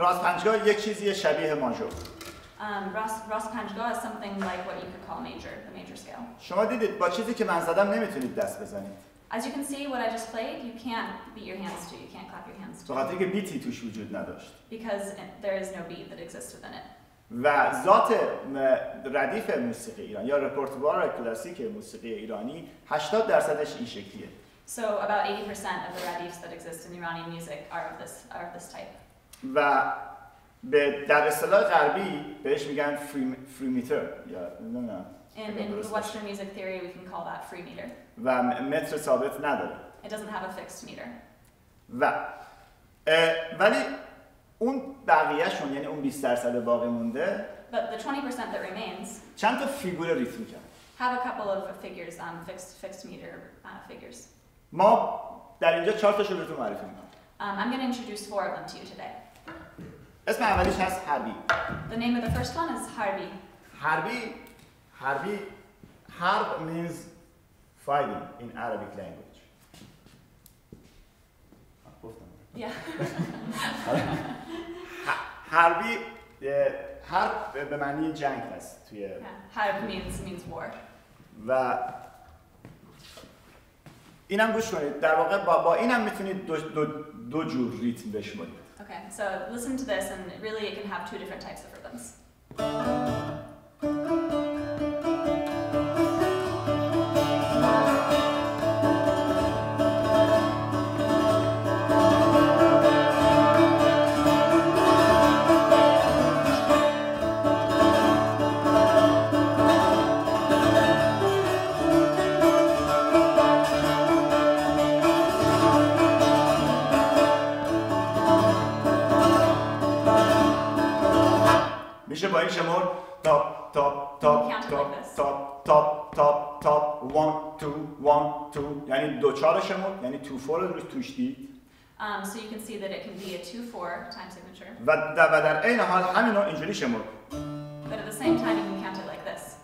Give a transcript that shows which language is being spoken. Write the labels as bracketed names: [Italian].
[Persian] راس پنجگاه یک چیزی شبیه ماژور. [English] راس پنجگاه is something like what you could call major, the major scale. [Persian] شما دیدید با چیزی که من زدم نمیتونید دست بزنید. [English] As you can see what I just played, you can't beat your hands to, you can't clap your hands to. [Persian] به خاطر اینکه بیتی توش وجود نداشت. [English] Because there is no beat that exists within it. [Persian] و ذات ردیف موسیقی ایران یا رپورتوار کلاسیک موسیقی ایرانی 80% این شکلیه. [English] So about 80% of the radifs that exist in Iranian music are of this type. [Persian] و به در اصطلاح غربی بهش میگن فری میتر یا نه. [English] In Western music theory, we can call that free meter. [Persian] و متر ثابت نداره. [English] It doesn't have a fixed meter. [Persian] و ولی اون بقیهشون یعنی اون 20% باقی مونده. [English] But the 20% that remains. [Persian] چند تا فیگور ریتمیک هست. [English] Have a couple of figures, fixed meter figures. [Persian] ما در اینجا 4 تاشو بهتون معرفی می‌کنم. [English] I'm going to introduce 4 of them to you today. [Persian] اسم اولیش هست هربی. [English] The name of the first one is هربی. هربی حربی حرب means fighting in Arabic language. [Persian] گفتم. [English] Yeah. [Persian] حربی حرب به معنی جنگ هست توی [English] حرب means war. [Persian] و اینم گوش کنید در واقع با اینم میتونید دو جور ریتم بشمرید. [English] Okay. So listen to this and really it can have two different types of rhythms. [Persian] با این شمار تاپ تاپ تاپ تاپ تاپ تاپ تاپ 1 2 1 2 یعنی 2-4 شمار یعنی 2-4 رو توش دید. [English] So you can see that it can be a 2-4 time signature. [Persian] و در این حال همین رو اینجوری شمار. [English] But at the same time you can count it like this.